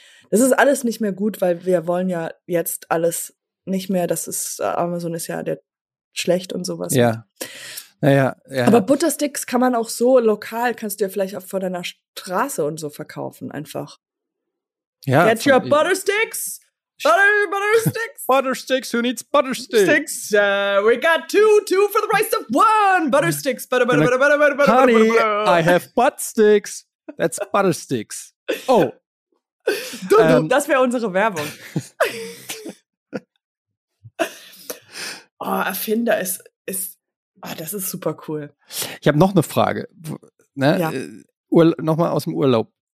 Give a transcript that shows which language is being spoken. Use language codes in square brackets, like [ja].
[de] Das ist alles nicht mehr gut, weil wir wollen ja jetzt alles nicht mehr, das ist, Amazon ist ja der schlecht und sowas. Ja. Naja, ja. Aber Buttersticks kann man auch so lokal, kannst du ja vielleicht auch vor deiner Straße und so verkaufen, einfach. Ja, [en] Get your Buttersticks! Butter sticks. Butter sticks. Who needs butter sticks? We got two for the price of one. Butter sticks. Honey, I have butt sticks. That's butter sticks. Oh. [de] Das wäre unsere Werbung. Oh, Erfinder ist oh, das ist super cool. Ich habe noch eine Frage. Ne? Ja. Nochmal aus dem Urlaub.